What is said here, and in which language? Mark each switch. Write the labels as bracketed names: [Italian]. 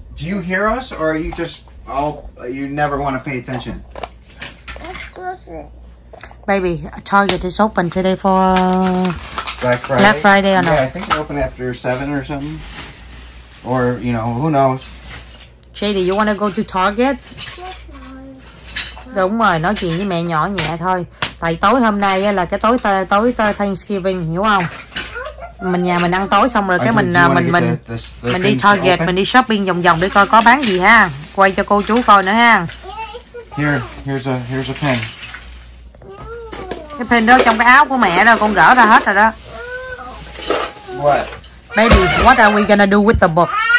[English] Do you hear us or are you just all, you never want to pay attention? Baby, Target is open today for Black Friday or not? Yeah, I think it opened after 7 or something. Or, you know, who knows? JD, you want to go to Target? Yes, [Vietnamese] Mom. Đúng rồi, nói chuyện với mẹ nhỏ nhẹ thôi. Tại tối hôm nay là cái tối Thanksgiving, hiểu không? Mình nhà mình ăn tối xong rồi cái mình đi Target, mình đi shopping vòng vòng để coi có bán gì ha. Quay cho cô chú coi nữa ha. [English] Here's a pen. [Vietnamese] Cái pen đó trong cái áo của mẹ đó, con gỡ ra hết rồi đó. [English] What? Baby, what are we gonna do with the books?